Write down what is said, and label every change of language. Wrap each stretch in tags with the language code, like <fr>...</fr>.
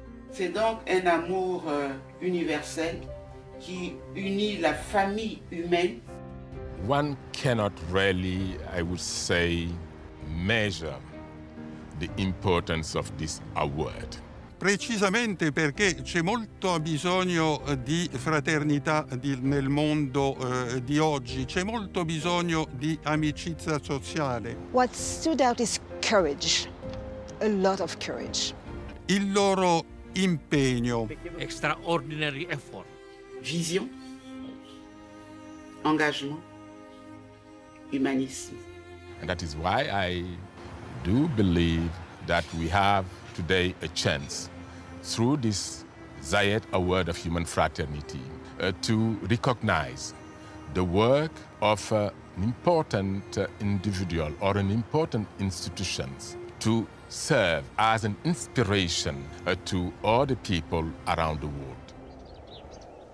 <fr>C'est donc un amour universel qui unit la famille humaine.</fr> <en>One cannot really, I would say, measure the importance of this award.</en> <it>Precisamente perché c'è molto bisogno di fraternità nel mondo di oggi, c'è molto bisogno di amicizia sociale.</it> <en>What stood out is courage, a lot of courage.</en> <it>Il loro impegno.</it> <en>Extraordinary effort. Vision, engagement, humanism. And that is why I do believe that we have today a chance through this Zayed Award of Human Fraternity to recognize the work of an important individual or an important institution to serve as an inspiration to all the people around the world.</en>